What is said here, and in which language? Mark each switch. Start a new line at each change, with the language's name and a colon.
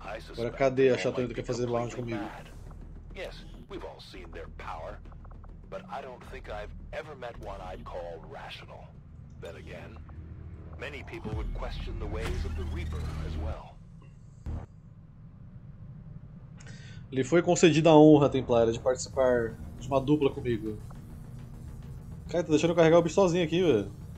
Portuguese: Agora cadê a chatona que quer fazer bounty comigo? Sim, nós todos vimos seu poder, mas eu não acho que eu nunca encontrei um que eu chamaria racional.
English: Then again, many people would question the ways of the Reaper as well.
Portuguese: Lhe foi concedida a honra, Templária, de participar de uma dupla comigo. Cara, tá deixando eu carregar o bicho sozinho aqui, velho.